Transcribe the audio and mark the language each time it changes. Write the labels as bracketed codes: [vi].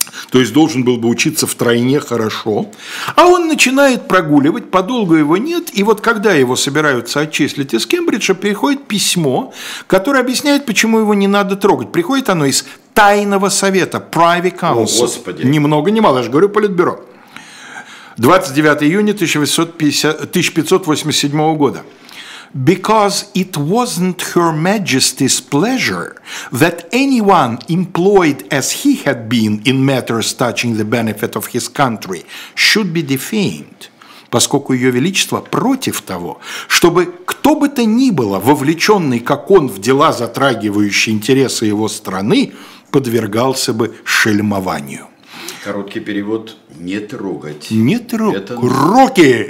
[ru] То есть должен был бы учиться втройне хорошо, а он начинает прогуливать, подолгу его нет, и вот когда его собираются отчислить из Кембриджа, приходит письмо, которое объясняет, почему его не надо трогать. Приходит оно из тайного совета, Privy Council. О, Господи. Ни много ни мало, я же говорю, политбюро. 29 июня 1587 года. [en] Because it wasn't Her Majesty's pleasure that anyone employed as he had been in matters touching the benefit of his country should be defamed. [ru] Поскольку Ее Величество против того, чтобы кто бы то ни было, вовлеченный, как он, в дела, затрагивающие интересы его страны, подвергался бы шельмованию. Короткий перевод – не трогать. Не трогать. Руки!